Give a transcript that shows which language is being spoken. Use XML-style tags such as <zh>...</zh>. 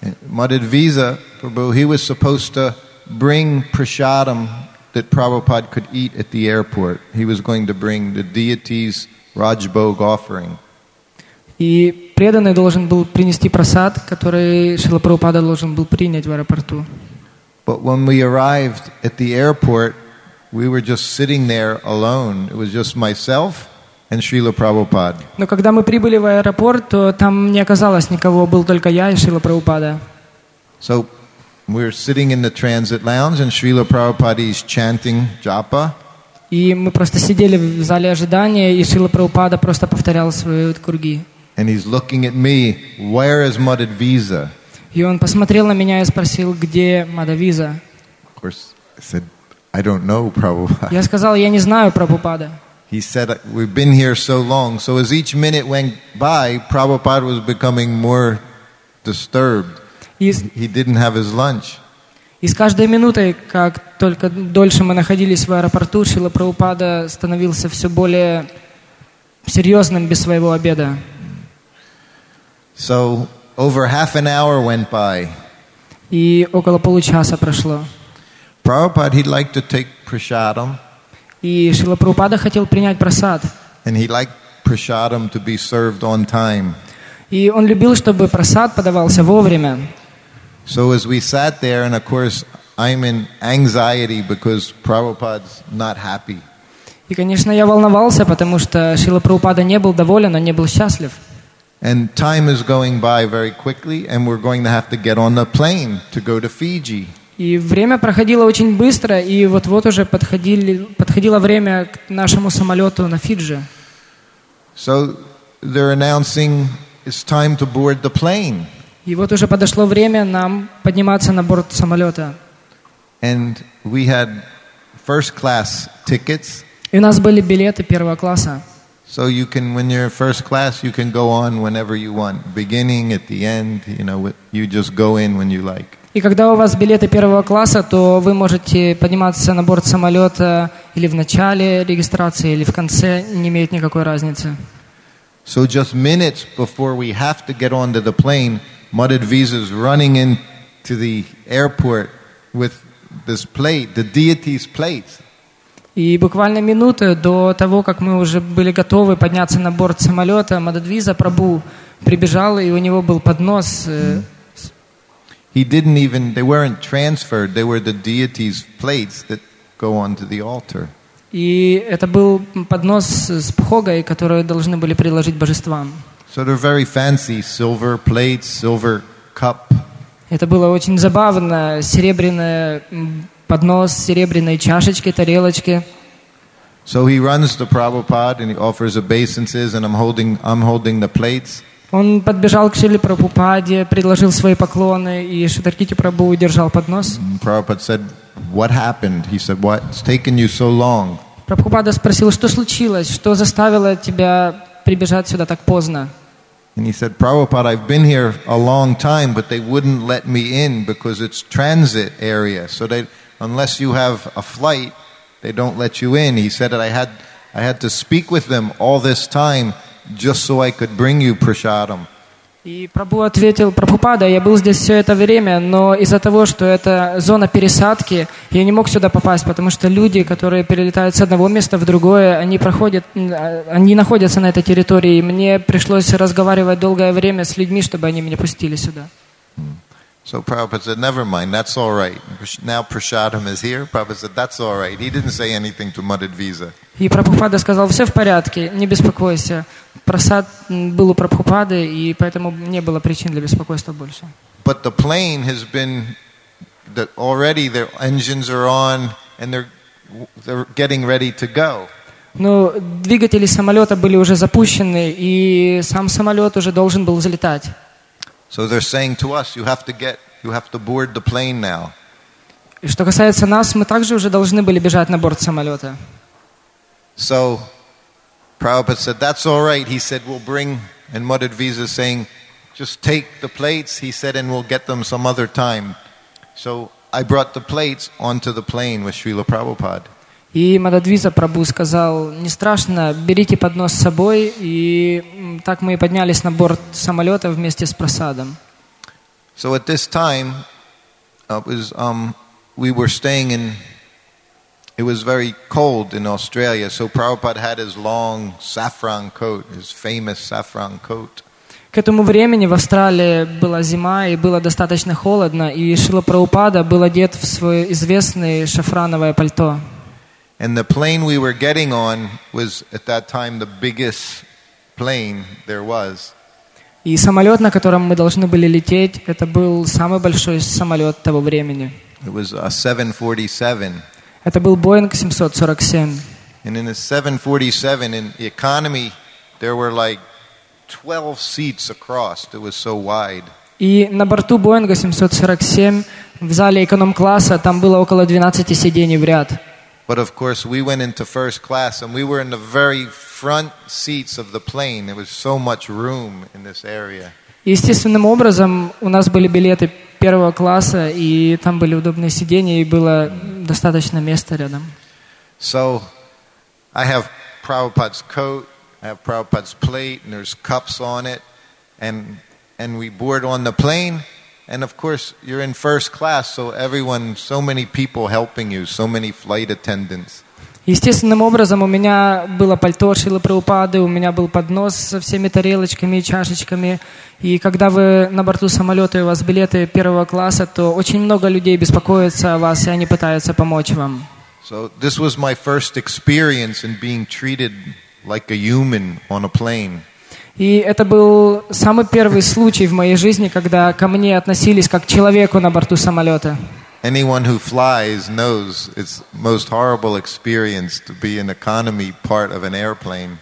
<en>Madhavisa Prabhu, he was supposed to bring prasadam that Prabhupada could eat at the airport. He was going to bring the deity's Rajbhog offering.</en> <ru>И преданный должен был принести просад, который Шрила Прабхупада должен был принять в аэропорту.</ru> <en>But when we arrived at the airport, we were just sitting there alone. It was just myself and Srila Prabhupada.</en> <ru>Но когда мы прибыли в аэропорт, то там не оказалось никого, был только я и Шрила Прабхупада.</ru> <en>So we were sitting in the transit lounge, and Srila Prabhupada is chanting japa.</en> <ru>И мы просто сидели в зале ожидания, и Шрила Прабхупада просто повторял свои курги.</ru> <en>And he's looking at me, where is Madhavisa?</en> <ru>И он посмотрел на меня и спросил, где Madhavisa?</ru> <en>Of course, I said, I don't know, Prabhupada.</en> <ru>Я сказал, я не знаю Прабхупада.</ru> <en>He said, we've been here so long. So as each minute went by, Prabhupada was becoming more disturbed. He didn't have his lunch.</en> <ru>И с каждой минутой, как только дольше мы находились в аэропорту, Шрила Прабхупада становился все более серьезным без своего обеда.</ru> <en>So, over half an hour went by.</en> <ru>И около получаса прошло.</ru> <en>Prabhupada, he'd like to take prasadam.</en> <ru>И Шрила Прабхупада хотел принять прасад.</ru> <en>And he'd like prasadam to be served on time.</en> <ru>И он любил, чтобы прасад подавался вовремя.</ru> <en>So as we sat there, and of course, I'm in anxiety because Prabhupada's not happy.</en> <ru>И, конечно, я волновался, потому что Шрила Прабхупада не был доволен, он не был счастлив.</ru> <en>And time is going by very quickly, and we're going to have to get on the plane to go to Fiji.</en> <ru>И время проходило очень быстро, и вот-вот уже подходило время к нашему самолету на Фиджи.</ru> <en>So they're announcing it's time to board the plane.</en> <ru>И вот уже подошло время нам подниматься на борт самолета.</ru> <en>And we had first class tickets.</en> <ru>И у нас были билеты первого класса.</ru> <en>So you can, when you're first class, you can go on whenever you want. Beginning, at the end, you know, you just go in when you like.</en> <ru>И когда у вас билеты первого класса, то вы можете подниматься на борт самолета или в начале регистрации, или в конце, не имеет никакой разницы.</ru> <en>So just minutes before we have to get onto the plane, Mudded Visa's running into the airport with this plate, the deity's plate.</en> <ru>И буквально минуты до того, как мы уже были готовы подняться на борт самолета, Mudded Visa Prabhu прибежал, и у него был поднос.</ru> <en>He didn't even, they weren't transferred, they were the deity's plates that go onto the altar.</en> <ru>И это был поднос с пхогой, который должны были приложить божествам.</ru> <en>So they're very fancy, silver plates, silver cup.</en> <ru>Это было очень забавно, серебряный поднос, серебряные чашечки, тарелочки.</ru> <en>So he runs to Prabhupada and he offers obeisances, and I'm holding the plates.</en> <ru>Он подбежал к Шриле Прабхупаде, предложил свои поклоны, и Шридхар Прабху удержал поднос.</ru> <en>Prabhupada said, "What happened?" He said, "What? It's taken you so long."</en> <ru>Прабхупада спросил, что случилось, что заставило тебя прибежать сюда так поздно.</ru> <en>And he said, "Prabhupada, I've been here a long time, but they wouldn't let me in because it's transit area. So they, unless you have a flight, they don't let you in." He said that I had to speak with them all this time just so I could bring you prasadam.</en> <ru>И Прабху ответил, "Прабхупада, я был здесь все это время, но из-за того, что это зона пересадки, я не мог сюда попасть, потому что люди, которые перелетают с одного места в другое, они находятся на этой территории, и мне пришлось разговаривать долгое время с людьми, чтобы они меня пустили сюда."</ru> <en>So Prabhupada said, "Never mind, that's all right. Now prasadam is here." Prabhupada said, "That's all right." He didn't say anything to Mudded Visa.</en> <ru>И Прабхупада сказал, "Все в порядке, не беспокойся." Прасад был у Прабхупады, и поэтому не было причин для беспокойства больше.</ru> <en>But the plane has been, already their engines are on, and they're getting ready to go.</en> <ru>Но двигатели самолета были уже запущены, и сам самолет уже должен был взлетать.</ru> <en>So they're saying to us, you have to board the plane now.</en> <ru>И что касается нас, мы также уже должны были бежать на борт самолета.</ru> <en>So Prabhupada said, "That's all right." He said, "We'll bring," and Mudded Visa saying, "Just take the plates," he said, "and we'll get them some other time." So I brought the plates onto the plane with Srila Prabhupada.</en> <ru>И Mudded Visa Prabhu сказал, "Не страшно, берите поднос с собой," и так мы и поднялись на борт самолета вместе с прасадом.</ru> <en>So at this time, we were staying in, it was very cold in Australia, so Prabhupada had his long saffron coat, his famous saffron coat.</en> <ru>К этому времени в Австралии была зима, и было достаточно холодно, и Шрила Прабхупада был одет в свое известное шафрановое пальто.</ru> <en>And the plane we were getting on was at that time the biggest plane there was.</en> <ru>И самолет, на котором мы должны были лететь, это был самый большой самолет того времени.</ru> <en>It was a 747.</en> <ru>Это был Boeing 747.</ru> <en>And in a 747, in the economy, there were like 12 seats across. It was so wide.</en> <ru>И на борту Boeing 747 в зале эконом-класса там было около 12 сидений в ряд.</ru> <en>But of course, we went into first class, and we were in the very front seats of the plane. There was so much room in this area.</en> <ru>Естественным образом у нас были билеты первого класса, и там были удобные сиденья, и было достаточно места рядом.</ru> <en>So, I have Prabhupada's coat, I have Prabhupada's plate, and there's cups on it, and we board on the plane, and of course, you're in first class, so everyone, so many people helping you, so many flight attendants.</en> <ru>Естественным образом у меня было пальто Шрилы Прабхупады, у меня был поднос со всеми тарелочками и чашечками. И когда вы на борту самолета и у вас билеты первого класса, то очень много людей беспокоятся о вас, и они пытаются помочь вам.</ru> <en>So this was my first experience in being treated like a human on a plane.</en> <ru>И это был самый первый случай в моей жизни, когда ко мне относились как к человеку на борту самолета.</ru> <en>Anyone who flies knows it's most horrible experience to be an economy part of an airplane.</en>